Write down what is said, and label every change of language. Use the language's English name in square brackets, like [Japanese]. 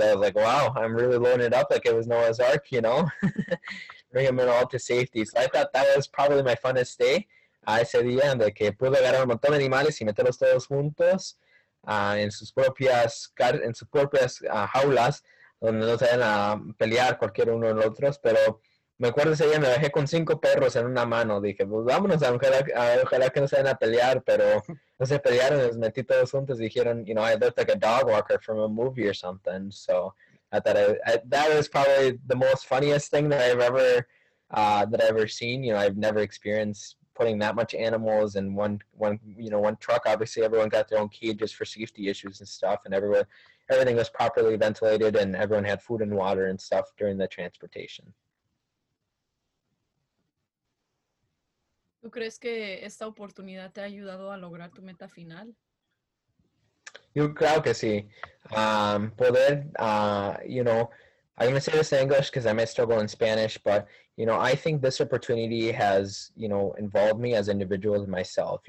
[English] I was like, wow, I'm really loading it up like it was Noah's Ark, you know, bring them all to safety. So I thought that was probably my funnest day. I said, yeah, [Spanish] de que pude agarrar un montón de animales y meterlos todos juntos en sus propias jaulas, donde no se van a pelear cualquier uno de los otros, pero me acuerdo ese día, me bajé con 5 perros en una mano. Dije, pues vámonos, ojalá que no se vayan a pelear, pero no se pelearon, los metí todos juntos. Dijeron, [English] you know, I looked like a dog walker from a movie or something. So that was probably the most funniest thing that I've ever seen. You know, I've never experienced putting that much animals in one truck. Obviously, everyone got their own cages for safety issues and stuff, and everything was properly ventilated, and everyone had food and water and stuff during the transportation. [Spanish] ¿Tú crees que esta oportunidad te ha ayudado a lograr tu meta final? Yo creo que sí. Poder, [English] you know, I'm going to say this in English because I may struggle in Spanish, but, you know, I think this opportunity has, you know, involved me as an individual and myself.